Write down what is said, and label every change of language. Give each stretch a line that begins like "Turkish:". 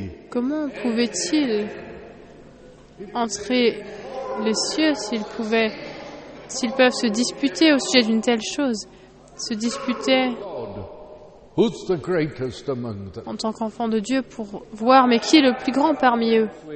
French: Comment pouvaient-ils entrer les cieux s'ils peuvent se disputer au sujet d'une telle chose? Se disputer
English: Who's the greatest among them?
French: En tant qu'enfant de Dieu, pour voir, mais qui est le plus grand parmi eux?